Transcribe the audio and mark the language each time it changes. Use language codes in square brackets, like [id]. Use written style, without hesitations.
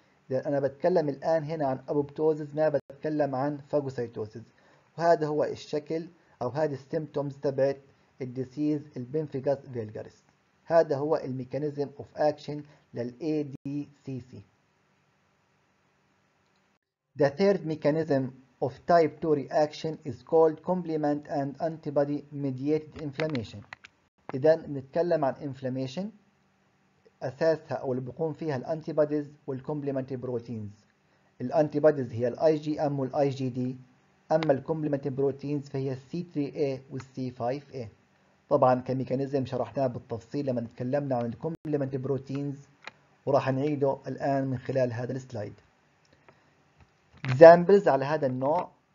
[ar] انا بتكلم الان هنا عن ابوبتوزز، ما بتكلم عن فاجوسايتوسيس. وهذا هو الشكل او هذه السيمبتومز تبعت الديزيز البنفيغاس فيلجاريس. هذا هو [en] الميكانيزم of action للاي D C C. The third mechanism of type 2 reaction is called complement and antibody mediated inflammation. [ar] اذا نتكلم عن inflammation اساسها او اللي بيقوم فيها الانتيبوديز والكومبلمنت بروتينز. الانتيبوديز هي الاي جي ام والاي جي دي، اما الكومبلمنت بروتينز فهي السي 3 اي والسي 5 اي. طبعا كميكانيزم شرحناه بالتفصيل لما تكلمنا عن الكومبلمنت بروتينز، وراح نعيده الان من خلال هذا السلايد. اكزامبلز على هذا النوع